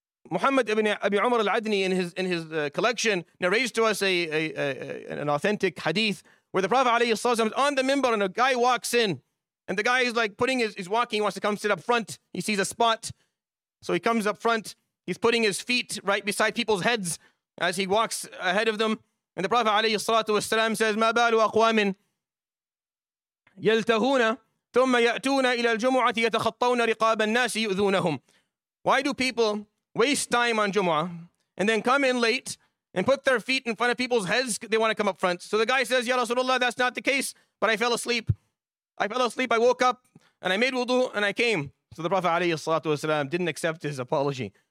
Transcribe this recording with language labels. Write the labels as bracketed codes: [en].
[en] Muhammad ibn Abi Umar al-Adni in his collection narrates to us an authentic hadith where the Prophet alayhi salam is on the minbar and a guy walks in and the guy is like putting his, he's walking, he wants to come sit up front. He sees a spot. So he comes up front. He's putting his feet right beside people's heads as he walks ahead of them. And the Prophet alayhi salatu wasalam says, [ar] مَا بَالُ أَقْوَامٍ يَلْتَهُونَ ثُمَّ يَأْتُونَ إِلَى الْجُمُعَةِ يَتَخَطَّوْنَ رِقَابَ النَّاسِ يُؤْذُونَهُمْ. [en] Why do people waste time on Jumu'ah and then come in late and put their feet in front of people's heads? They want to come up front. So the guy says, Ya Rasulullah, that's not the case, but I fell asleep, I woke up, and I made wudu, and I came. So the Prophet alayhi salatu wasalam didn't accept his apology.